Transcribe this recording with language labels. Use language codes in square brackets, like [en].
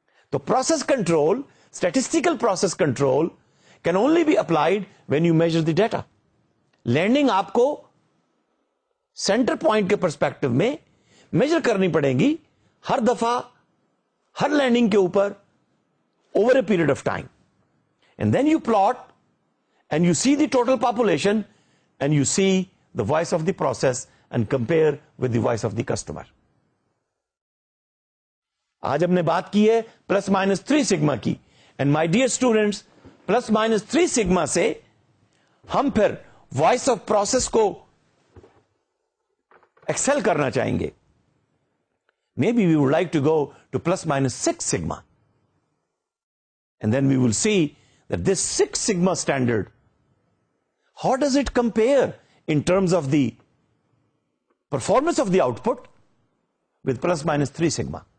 [en] تو process control, statistical process control can only be applied when you measure the data. [ur] Landing آپ کو centre point کے perspective میں major کرنی پڑے گی ہر دفعہ، ہر لینڈنگ کے اوپر، [en] Over a period of time. And then you plot and you see the total population and you see the voice of the process and compare with the voice of the customer. [ur] آج ہم نے بات کی ہے plus minus 3 sigma کی. [en] and my dear students, [ur] plus minus 3 sigma سے ہم پھر وائس آف پروسیس کو ایکسل کرنا چاہیں گے. [en] Maybe we would like to go to plus minus 6 sigma and then we will see that this 6 sigma standard how does it compare in terms of the performance of the output with plus minus 3 sigma.